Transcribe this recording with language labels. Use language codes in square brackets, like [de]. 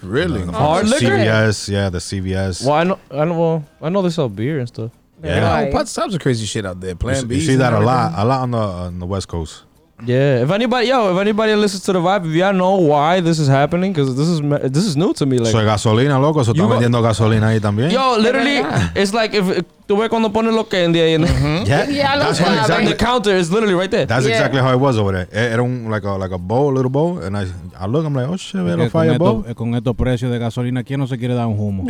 [en] Really? You know, hard liquor? CVS, yeah, the CVS. Well, I know they sell beer and stuff. Yeah. Right. Pot stops are crazy shit out there. Plan B. You see that a lot on the West Coast. Yeah, if anybody listens to the vibe, if y'all know why this is happening, because this is new to me. Like, [es] soy gasolina, loco, so están vendiendo gasolina ahí también. [en] Yo, literally, it's like if [es] tú ves cuando ponen los [en] candy [es] ahí. [en] Yeah, that's exactly. The counter is literally right there. That's exactly how it was over there. [es] Era [en] like a bowl, a little bowl, and I look, I'm like, oh shit, [es] ve lo [en] fire bowl. [es] Con estos precios de gasolina, ¿quién no se quiere dar un humo?